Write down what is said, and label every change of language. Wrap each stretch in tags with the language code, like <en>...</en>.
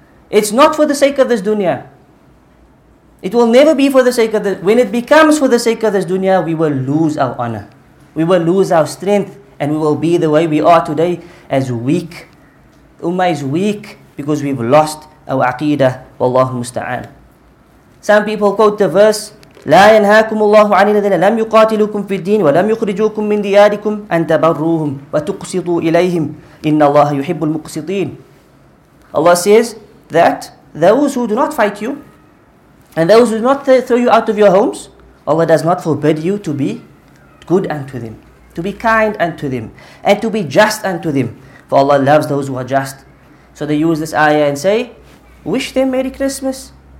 <en>It's not for the sake of this dunya. It will never be for the sake of this. When it becomes for the sake of this dunya, we will lose our honor. We will lose our strength. And we will be the way we are today, as weak. Ummah is weak because we've lost our aqeedah.</en> <ar>Wallahu musta'an.</ar> <en>Some people quote the verse,</en> <ar>لا ينهاكم الله عن الذين لم يقاتلوكم في الدين ولم يخرجوكم من دياركم أن تبروهم وتقسطوا إليهم إن الله يحب المقسطين.</ar> <en>Allah says that those who do not fight you, and those who do not throw you out of your homes, Allah does not forbid you to be good unto them, to be kind unto them, and to be just unto them. For Allah loves those who are just. So they use this ayah and say, wish them Merry Christmas.</en>